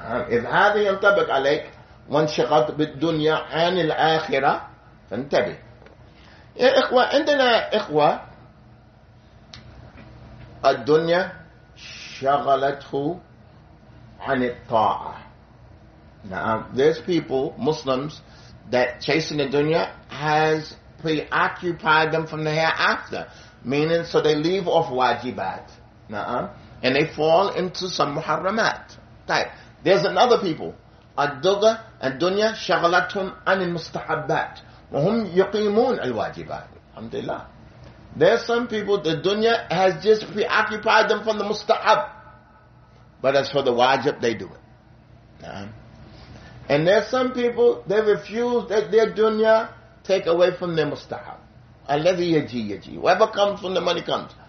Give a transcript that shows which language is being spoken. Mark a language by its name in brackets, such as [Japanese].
[English] If [Arabic] hadhi yantabiq alayk, وانشغلت بالدنيا عن الآخرة فانتبه يا إخوة عندنا إخوة الدنيا شغلته عن الطاعة. [English] Now there's people, Muslims, that chasing the dunya has preoccupied them from the hereafter, meaning so they leave off wajibat and they fall into some muharramat. Right. There's another people [Arabic] الدغه الدنيا شغلتهم عن المستحبات وهم يقيمون الواجبات الحمد لله. [English] There are some people the dunya has just preoccupied them from the mustahab, but as for the wajib, they do it. And there are some people they refuse that their dunya take away from their mustahab. [Arabic] الذي يجي يجي. [English] Whatever comes from the money comes.